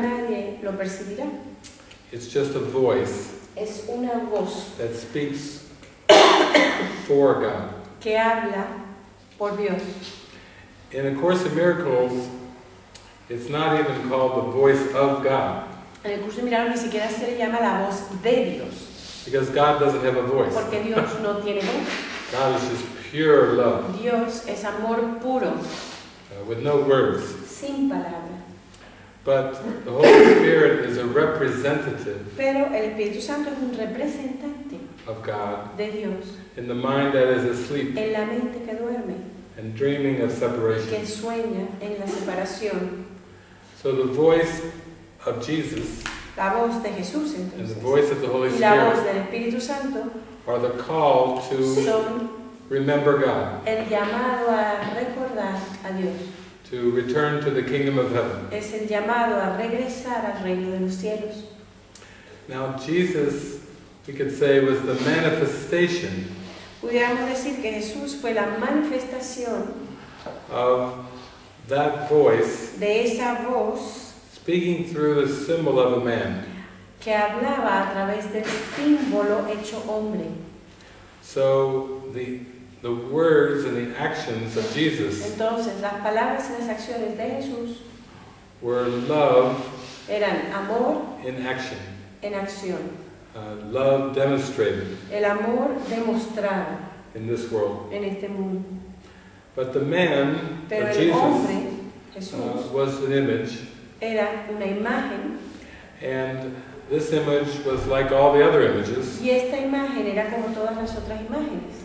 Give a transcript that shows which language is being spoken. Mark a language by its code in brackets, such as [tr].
[es] Y nunca nadie lo percibirá. [en] It's just a voice. [es] Es una voz. [en] That speaks for God. [es] Que habla por Dios. [en] In A Course in Miracles, it's not even called the voice of God. [es] En el curso de milagros ni siquiera se le llama la voz de Dios. [en] Because God doesn't have a voice. [es] Porque Dios no tiene voz. [en] God is just pure love. [es] Dios es amor puro. [en] With no words. [es] Sin palabra. [en] But the Holy Spirit is a representative. [es] Pero el Espíritu Santo es un representante. [en] Of God. [es] De Dios. [en] In the mind that is asleep. [es] En la mente que duerme. [en] And dreaming of separation. [es] Y que sueña en la separación. [en] So the voice of Jesus. [es] La voz de Jesús, entonces, [en] and the voice of the Holy Spirit, [es] y la voz del Espíritu Santo, [en] are the call to remember God, [es] el llamado a recordar a Dios, [en] to return to the kingdom of heaven, [es] es el llamado a regresar al reino de los cielos. [en] Now Jesus, we could say, was the manifestation, [es] pudiéramos decir que Jesús fue la manifestación, [en] of that voice, [es] de esa voz, [en] speaking through the symbol of a man. [es] Que hablaba a través del símbolo hecho hombre. [en] So the words and the actions of Jesus. [es] Entonces las palabras y las acciones de Jesús. [en] Were love. [es] Eran amor. [en] In action. [es] En acción. [en] Love demonstrated. [es] El amor demostrado. [en] In this world. [es] En este mundo. [en] But the man, [es] pero [en] of Jesus, [es] hombre, Jesús, [en] was an image. [es] Era una imagen. [en] And this image was like all the other images. [es] Y esta imagen era como todas las otras imágenes.